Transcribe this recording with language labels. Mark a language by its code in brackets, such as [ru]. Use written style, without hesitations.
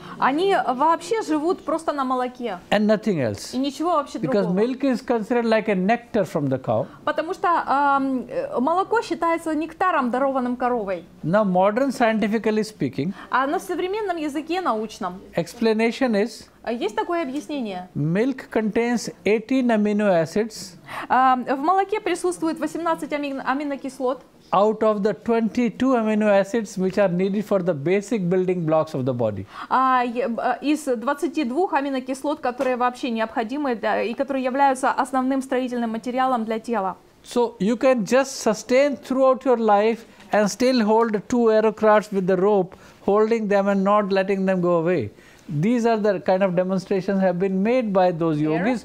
[ru] Они вообще живут просто на молоке. [en] And nothing else. [ru] И ничего вообще [en] Because [ru] другого. [en] Milk is considered like a nectar from the cow. [ru] Потому что молоко считается нектаром, дарованным коровой. [en] Now, modern scientifically speaking, [ru] а на современном языке научном [en] explanation is, [ru] есть такое объяснение. [en] Milk contains 18 amino acids. [ru] В молоке присутствует 18 аминокислот. [en] Out of the 22 amino acids which are needed for the basic building blocks of the body. [ru] Из 22 аминокислот, которые вообще необходимы и которые являются основным строительным материалом для тела. [en] So you can just sustain throughout your life and still hold two aerocrafts with the rope, holding them and not letting them go away. These are the kind of demonstrations have been made by those yogis.